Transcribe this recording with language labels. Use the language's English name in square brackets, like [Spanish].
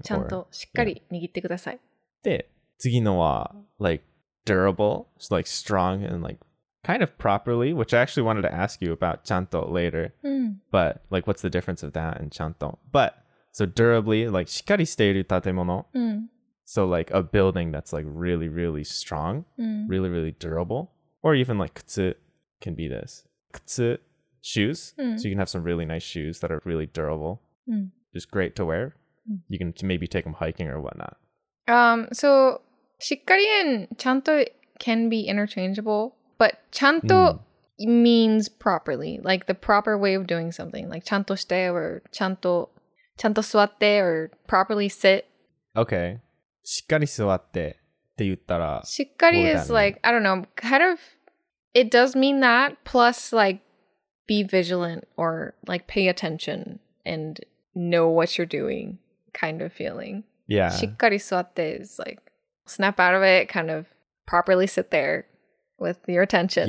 [Japanese] ちゃんとしっかり握ってください。 [English] で、次のは、like, durable, so, like, strong and, like, kind of properly, which I actually wanted to ask you about ちゃんと later,、 [Japanese] うん、 [English] but, like, what's the difference of that and ちゃんと? But, so, durably, like, [Japanese] しっかりしている建物、うん、 [English] so, like, a building that's, like, really, really strong,、 [Japanese] うん、 [English] really, really durable, or even, like, 靴 can be this. 靴 shoes,、 [Japanese] うん、 [English] so you can have some really nice shoes that are really durable,、 [Japanese] うん、 [English] just great to wear.、 [Japanese] うん、 [English] you can maybe take them hiking or whatnot. So, しっかりんちゃんと can be interchangeable, but ちゃんと means properly, like the proper way of doing something, like ちゃんとして or [Japanese] ちゃんと座って [English] or properly sit. Okay. [Japanese] しっかり座ってって言ったら、 [English] しっかり is like, I don't know, kind of, it does mean that, plus like be vigilant or like pay attention and know what you're doing kind of feeling. Yeah. [Japanese] しっかり座って [English] is like, snap out of it, kind of properly sit there with your attention.